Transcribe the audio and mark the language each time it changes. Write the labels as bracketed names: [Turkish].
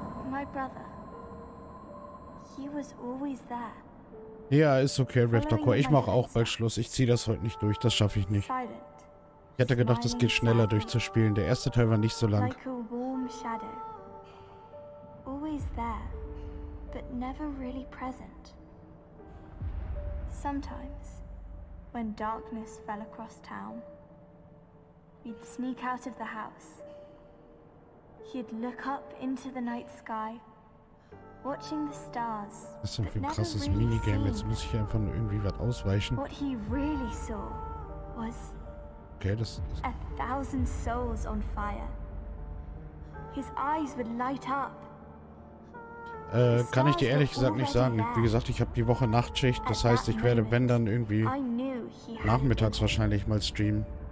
[English] My brother. He was always there. [German] Ja, ist okay, Raptorcore. Ich mache auch bald Schluss. Ich ziehe das heute nicht durch. Das schaffe ich nicht. Ich hatte gedacht, es geht schneller durchzuspielen. Der erste Teil war nicht so lang. [English] Like a warm shadow. Always there, but never really present. Sometimes, when darkness fell across town, we'd sneak out of the house. He'd look up into the night sky, watching the stars. [German] Das ist ein viel krasses Minigame. Jetzt muss ich einfach nur irgendwie was ausweichen. [English] What he really saw was [German] okay, das [English] a thousand souls on fire. His eyes would light up. [German] Kann ich dir ehrlich gesagt nicht sagen. Wie gesagt, ich habe die Woche Nachtschicht. Das heißt, ich werde, wenn dann irgendwie nachmittags wahrscheinlich mal streamen.